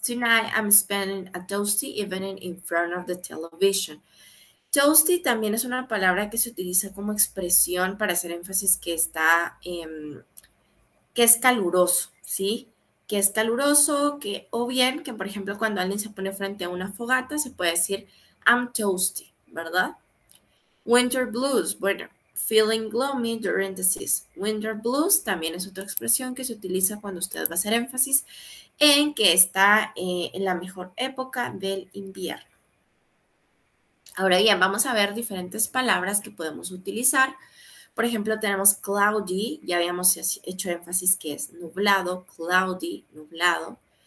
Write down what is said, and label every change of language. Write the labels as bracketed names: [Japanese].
[English] Tonight I'm spending a toasty evening in front of the television. [Spanish] Toasty también es una palabra que se utiliza como expresión para hacer énfasis que está, que es caluroso, ¿sí? Que es caluroso, que, o bien, que por ejemplo, cuando alguien se pone frente a una fogata, se puede decir, [English] I'm toasty, [Spanish] ¿verdad? [English] Winter blues, bueno, feeling gloomy during the season. [Spanish] Winter blues también es otra expresión que se utiliza cuando usted va a hacer énfasis en que está en la mejor época del invierno. Ahora bien, vamos a ver diferentes palabras que podemos utilizar. Por ejemplo, tenemos cloudy, ya habíamos hecho énfasis que es nublado, cloudy, nublado.